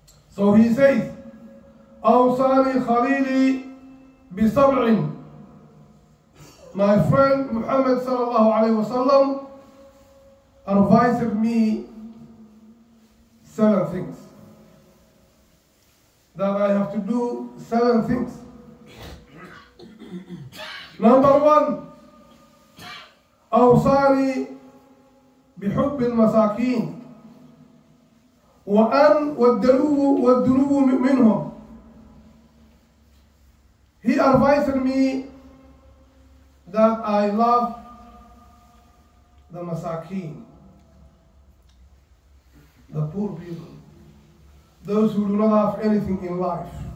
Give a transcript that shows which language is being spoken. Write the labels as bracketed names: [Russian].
[English] So he says, [Arabic] أوصاني خليلي بسبع. [English] My friend Muhammad sallallahu alayhi wa sallam advised me seven things. That I have to do seven things. Number one, [Arabic] أوصاني بحب المساكين وأن والدلو منهم. [English] He advised me that I love the masakin, the poor people, those who do not have anything in life.